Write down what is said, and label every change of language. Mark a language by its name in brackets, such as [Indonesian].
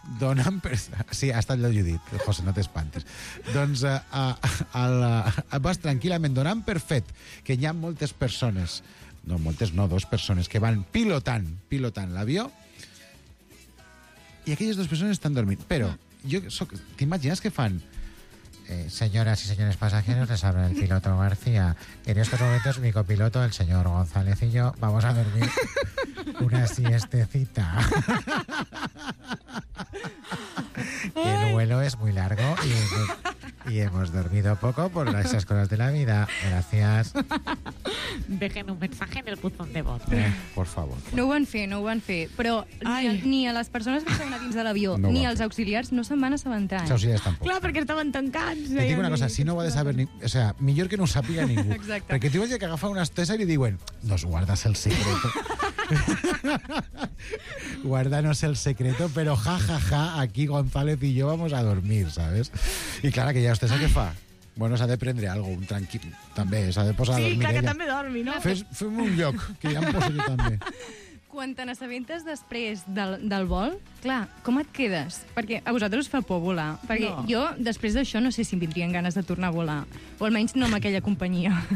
[Catalan] Donant per... Sí, ha estat allò Judit, José, no t'espantis. Doncs vas tranquil·lament donant per fet que hi ha moltes persones, no moltes, no, dues persones, que van pilotant l'avió, i aquelles dues persones estan dormint. Però jo soc... T'imagines què fan... [Spanish] Señoras y señores pasajeros, les habla el piloto García. En estos momentos, mi copiloto, el señor González y yo, vamos a dormir una siestecita. El vuelo es muy largo y hemos dormido poco por esas cosas de la vida. Gracias. Dejen un mensaje en el buzón de voz. Por favor. [Catalan] No ho van fer. Però ni a les persones que estaven a dins de l'avió ni als auxiliars no se'n van assabentar. Els auxiliars tampoc. Clar, perquè estaven tancats. Et dic una cosa, si no ho ha de saber ningú... O sea, millor que no ho sàpiga ningú. Exacte. Perquè t'ho hagi d'agafar una estesa i li diuen [Spanish] «Nos guardas el secreto». Guardanos el secreto, pero ja, ja, ja, aquí González y yo vamos a dormir, ¿sabes? Y claro, que ya usted sabe qué fa. [Catalan] Bueno, s'ha de prendre algo, un tranquil, també, s'ha de posar sí, a dormir. Sí, clar, ella. Que també dormi, no? Fem un lloc, que ja em poso jo també. Quan te n'assabentes després del vol, clar, com et quedes? Perquè a vosaltres us fa por volar. Perquè no. Jo, després d'això, no sé si em vindrien ganes de tornar a volar. O almenys no amb aquella companyia.